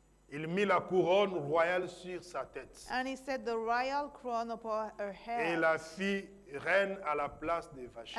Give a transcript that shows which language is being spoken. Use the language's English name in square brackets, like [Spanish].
[French] Il mit la couronne royale sur sa tête. [English] And he set the royal crown upon her head. [French] Et la fit reine à la place de Vashti.